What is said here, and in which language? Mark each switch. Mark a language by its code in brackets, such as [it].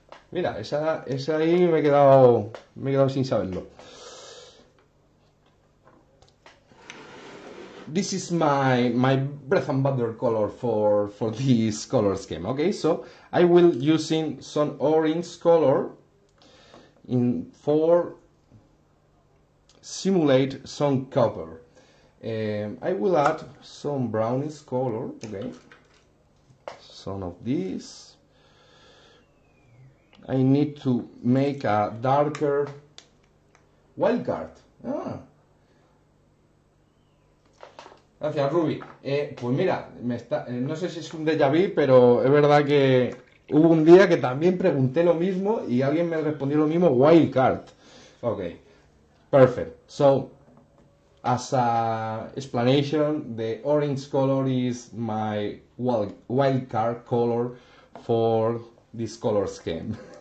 [es] Mira, esa ahí me he quedado sin saberlo. [en] This is my bread and butter color for this color scheme. Okay, so I will using some orange color in for simulate some copper. I will add some brownish color. Okay, some of this. I need to make a darker wild card. Ah. [es] Gracias, Ruby. Pues mira, no sé si es un déjà vu, pero es verdad que hubo un día que también pregunté lo mismo y alguien me respondió lo mismo, wildcard. [en] Ok, perfect. So, as a explanation, the orange color is my wildcard color for this color scheme.